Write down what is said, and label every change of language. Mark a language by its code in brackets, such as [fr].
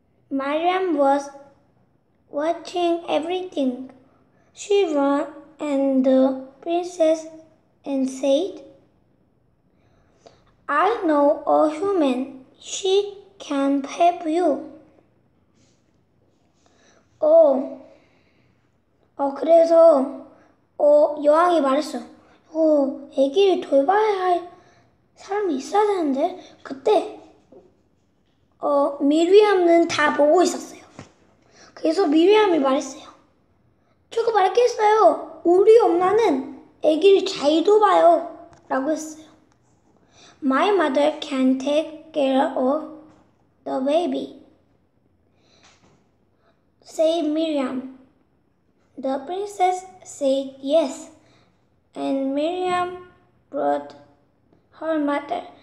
[en] Mariam was watching everything. She ran and the princess and said, I know a human. She can help you. [ko] Oh, 그래서 여왕이 말했어. 아기를 돌봐야 할 사람이 있어야 되는데. 그때 미리암은 다 보고 있었어요. 그래서 미리암이 말했어요. 저거 말했겠어요. 우리 엄마는 아기를 잘 돌봐요. 라고 했어요. [en] My mother can take care of the baby. Say Miriam. The princess said yes. And Miriam brought her mother.